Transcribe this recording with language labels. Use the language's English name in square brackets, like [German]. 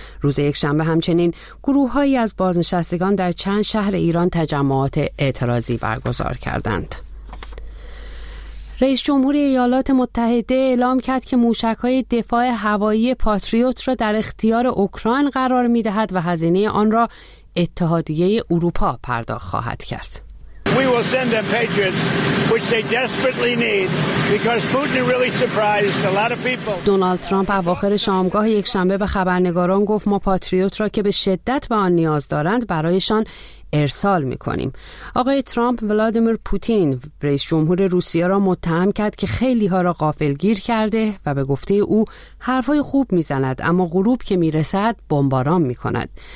[Persian] روز یک شنبه همچنین گروه‌هایی از بازنشستگان در چند شهر ایران تجمعات اعتراضی برگزار کردند. رئیس جمهور ایالات متحده اعلام کرد که موشک‌های دفاع هوایی پاتریوت را در اختیار اوکراین قرار می‌دهد و هزینه آن را اتحادیه اروپا پرداخت خواهد کرد. [English] We will send them Patriots, which they desperately need, because Putin really surprised a lot of people. [Persian] دونالد ترامپ اواخر شامگاه یک شنبه به خبرنگاران گفت ما پاتریوت را که به شدت به آن نیاز دارند برایشان ارسال میکنیم. آقای ترامپ ولادیمیر پوتین رئیس جمهور روسیه را متهم کرد که خیلی ها را غافلگیر کرده و به گفته او حرفای خوب میزند اما غروب که میرسد بمباران میکند.